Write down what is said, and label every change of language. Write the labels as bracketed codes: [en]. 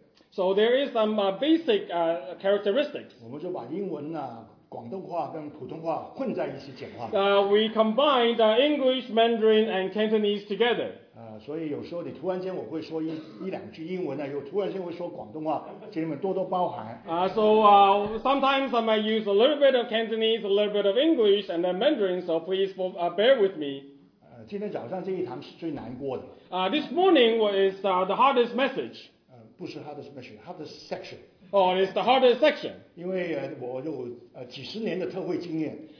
[en] So there is some basic characteristics. [zh] 我们就把英文啊、广东话跟普通话混在一起讲话。 [en] We combined English, Mandarin, and Cantonese together. [zh] 所以有时候你突然间我会说一两句英文呢，又突然间会说广东话，请你们多多包涵。 [en] Sometimes I might use a little bit of Cantonese, a little bit of English, and then Mandarin. So please bear with me. [zh] 今天早上这一堂是最难过的。 [en] This morning is the hardest message. [zh] 不是 [en] hardest message, hardest section. Oh, it's the hardest section. [zh] 因为我有几十年的特会经验。